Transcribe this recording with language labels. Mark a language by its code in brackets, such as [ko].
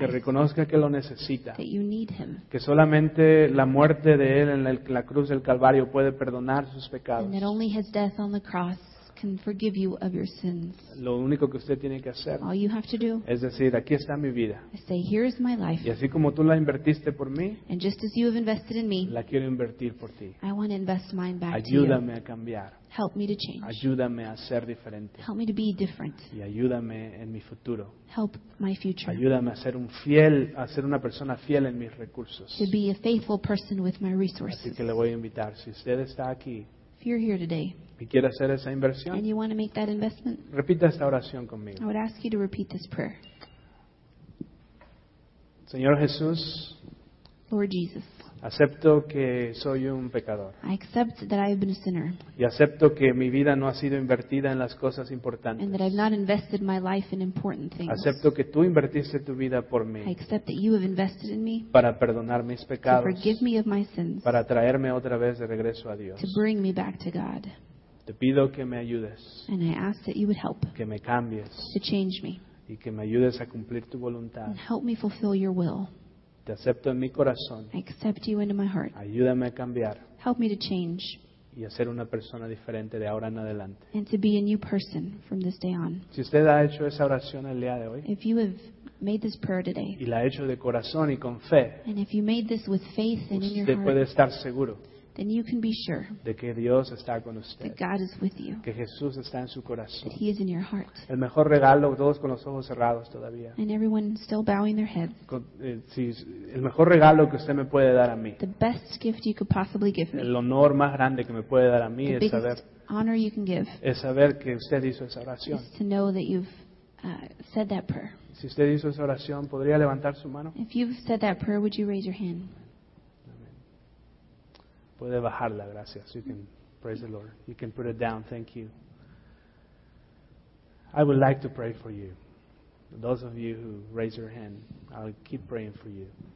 [es] que reconozca que lo necesita, [en] that you need him. [es] Que solamente la muerte de él en la cruz del Calvario puede perdonar sus pecados. [en] And that only his death on the cross can forgive you of your sins. [es] Lo único que usted tiene que hacer, [en] all you have to do, [es] es decir, aquí está mi vida. [en] Say, here is my life. [es] Y así como tú la invertiste por mí, [en] and just as you have invested in me, [es] la quiero invertir por ti. [en] I want to invest mine back. [es] Ayúdame [en] to you. [es] A cambiar. [en] Help me to change. [es] Ayúdame a ser diferente. [en] Help me to be different. [es] Y ayúdame en mi futuro. [en] Help my future. [es] Ayúdame a ser una persona fiel en mis recursos. [en] To be a faithful person with my resources. [es] Así que le voy a invitar. Si usted está aquí, [en] if you're here today, [es] y quiere hacer esa inversión, [en] and you want to make that investment, [es] repita esta oración conmigo. [en] I would ask you to repeat this prayer. [es] Señor Jesús, [en] Lord Jesus, [es] acepto que soy un pecador. [en] I accept that I have been a sinner. [es] Y acepto que mi vida no ha sido invertida en las cosas importantes. [en] And that I have not invested my life in important things. [es] Acepto que tú invertiste tu vida por mí. [en] I accept that you have invested in me. [es] Para perdonar mis pecados. [en] To forgive me of my sins. [es] Para traerme otra vez de regreso a Dios. [en] To bring me back to God. [es] Te pido que me ayudes. [en] And I ask that you would help. [es] Que me cambies. [en] To change me. [es] Y que me ayudes a cumplir tu voluntad. [en] And help me fulfill your will. [es] Te acepto en mi corazón. [en] I accept you into my heart. [es] Ayúdame a cambiar. [en] Help me to change. [es] Y a ser una persona diferente de ahora en adelante. [en] And to be a new person from this day on. [es] Si usted ha hecho esa oración el día de hoy. [en] If you have made this prayer today. [es] Y la ha hecho de corazón y con fe. [en] And if you made this with faith and in your heart. [es] Usted puede estar seguro. [en] Then you can be sure [es] de que Dios está con usted, [en] that God is with you, [es] que Jesús está en su corazón, [en] that He is in your heart. [es] El mejor regalo, todos con los ojos cerrados todavía. [en] And everyone still bowing their head. [es] El mejor regalo que usted me puede dar a mí. [en] The best gift you could possibly give me. [es] El honor más grande que me puede dar a mí es saber, [en] honor you can give, [es] es saber que usted hizo esa oración. [en] Is to know that you've said that prayer. [es] Si usted hizo esa oración, ¿podría levantar su mano? [en] If you've said that prayer, would you raise your hand? [es] Puede bajarla, gracias. [en] You can praise the Lord. You can put it down. Thank you. I would like to pray for you. Those of you who raise your hand, I'll keep praying for you.